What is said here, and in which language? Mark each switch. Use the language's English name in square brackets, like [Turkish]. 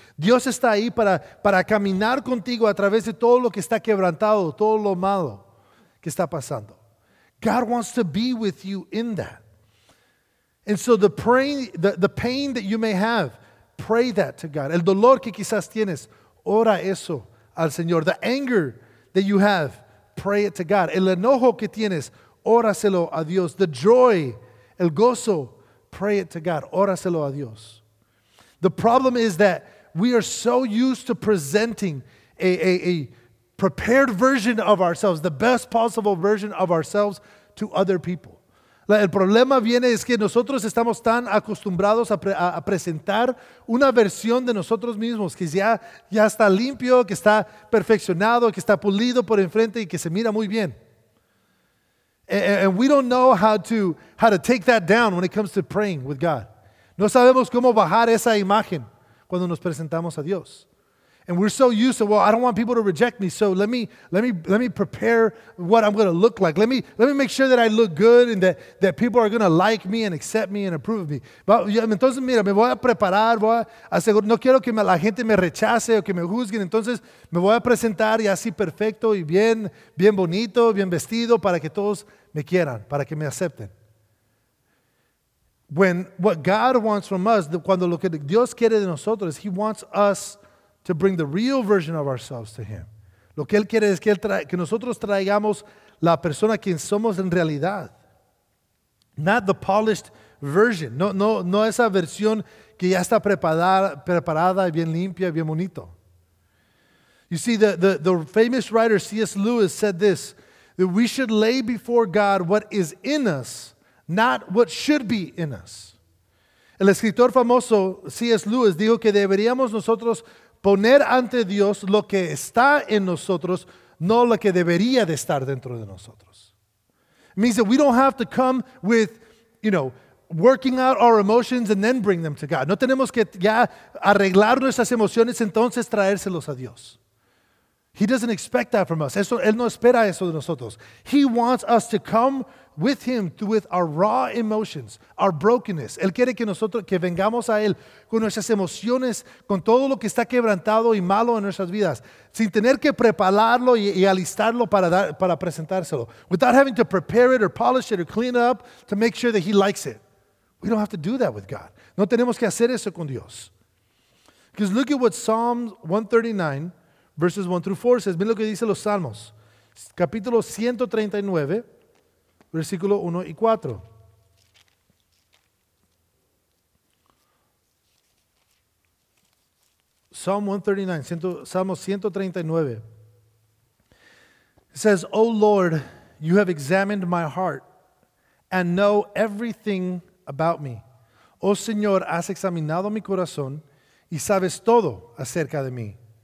[Spanish] Dios está ahí para caminar contigo a través de todo lo que está quebrantado, todo lo malo que está pasando. [English] God wants to be with you in that. And so the pain that you may have, pray that to God. [Spanish] El dolor que quizás tienes, ora eso al Señor. [English] The anger that you have, pray it to God. [Spanish] El enojo que tienes, óraselo a Dios. [English] The joy, [Spanish] el gozo, [English] pray it to God. [Spanish] Óraselo a Dios. [English] The problem is that we are so used to presenting a prepared version of ourselves, the best possible version of ourselves to other people. [Spanish] El problema viene es que nosotros estamos tan acostumbrados a presentar una versión de nosotros mismos que ya está limpio, que está perfeccionado, que está pulido por enfrente y que se mira muy bien. [English] And we don't know how to take that down when it comes to praying with God. [Spanish] No sabemos cómo bajar esa imagen cuando nos presentamos a Dios. [English] And we're so used to, well, I don't want people to reject me, so let me prepare what I'm going to look like. Let me make sure that I look good and that people are going to like me and accept me and approve of me. [Spanish] Entonces, mira, me voy a preparar, voy a asegurar, no quiero que la gente me rechace o que me juzguen, entonces me voy a presentar y así perfecto y bien, bien bonito, bien vestido para que todos me quieran, para que me acepten. [English] When what God wants from us, [Spanish] cuando lo que Dios quiere de nosotros, [English] he wants us to bring the real version of ourselves to him. [Spanish] Lo que él quiere es que nosotros traigamos la persona quien somos en realidad. [English] Not the polished version. [Spanish] No esa versión que ya está preparada y bien limpia, bien bonito. [English] You see, the famous writer C.S. Lewis said this, that we should lay before God what is in us, not what should be in us. [Spanish] El escritor famoso C.S. Lewis dijo que deberíamos nosotros poner ante Dios lo que está en nosotros, no lo que debería de estar dentro de nosotros. [English] It means that we don't have to come with, you know, working out our emotions and then bring them to God. [Spanish] No tenemos que ya arreglar nuestras emociones, entonces traérselos a Dios. [English] He doesn't expect that from us. [Spanish] Eso, él no espera eso de nosotros. [English] He wants us to come with him with our raw emotions, our brokenness. [Spanish] Él quiere que nosotros, que vengamos a él con nuestras emociones, con todo lo que está quebrantado y malo en nuestras vidas, sin tener que prepararlo y alistarlo para presentárselo. [English] Without having to prepare it or polish it or clean it up to make sure that he likes it. We don't have to do that with God. [Spanish] No tenemos que hacer eso con Dios. [English] Because look at what Psalms 139 verses 1 through 4 says. [Spanish] Miren lo que dice los Salmos. Capítulo 139, versículo 1 y 4. [English] Psalm 139. It says, "Oh Lord, you have examined my heart and know everything about me. [Spanish] Oh Señor, has examinado mi corazón y sabes todo acerca de mí.